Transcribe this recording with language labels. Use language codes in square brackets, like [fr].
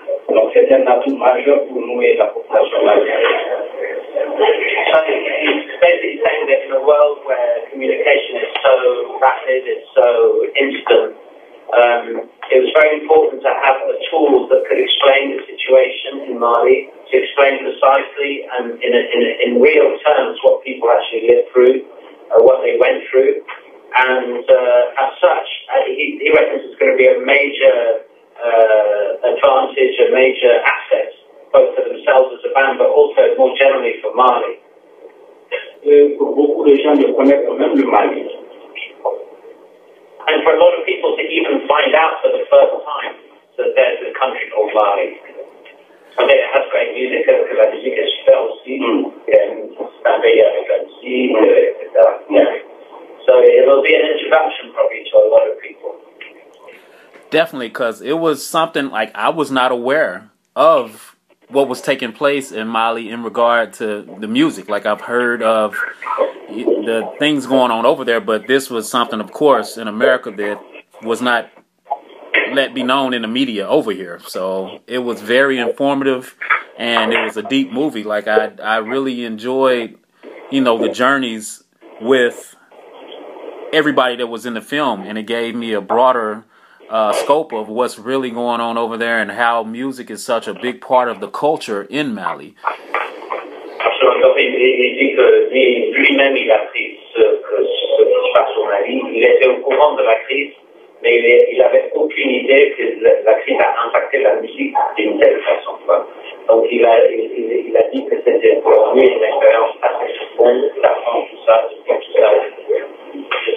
[fr] Donc c'est un atout majeur pour nous et la population malienne. [en] So it's basically saying that in a world where communication is so rapid, it's so instant, it was very important to have a tool that could explain the situation in Mali, to explain precisely and in real terms what people actually lived through, what they went through. And as such, he reckons it's going to be a major advantage, a major asset, both for themselves as a band, but also more generally for Mali. [fr] Pour beaucoup de gens, je connais quand même le Mali. [en] And for a lot of people to even find out for the first time that there's a country called Mali. I mean, it has great music, because [fr] la musique est super aussi, c'est un pays avec la musique, etc. [en] So it'll be an introduction probably to a lot of people. Definitely, because it was something like I was not aware of what was taking place in Mali in regard to the music. Like, I've heard of the things going on over there, but this was something, of course, in America that was not let be known in the media over here. So it was very informative, and it was a deep movie. Like, I really enjoyed, you know, the journeys with everybody that was in the film, and it gave me a broader scope of what's really going on over there and how music is such a big part of the culture in Mali. [fr] Absolument. Donc, il dit que lui-même, il a appris ce qui se passe au Mali. Il était au courant de la crise, mais il avait aucune idée que la crise a impacté la musique d'une telle façon. Donc, il a dit que c'était pour lui une expérience assez profonde d'apprendre tout ça, de voir tout ça.